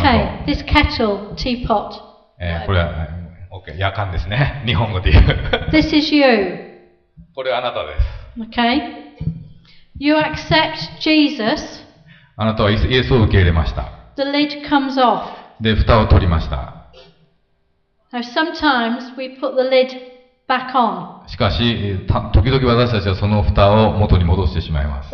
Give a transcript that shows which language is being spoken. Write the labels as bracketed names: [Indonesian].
[English] Okay. This kettle, teapot. [Japanese] これは、OK、やかんですね。日本語で言う。 [English] This is you. [Japanese] これはあなたです。 [English] Okay. You accept Jesus. [Japanese] あなたはイエスを受け入れました。 [English] The lid comes off. [Japanese] で、蓋を取りました。 [English] Now, sometimes we put the lid back on. [Japanese] しかし、時々私たちはその蓋を元に戻してしまいます。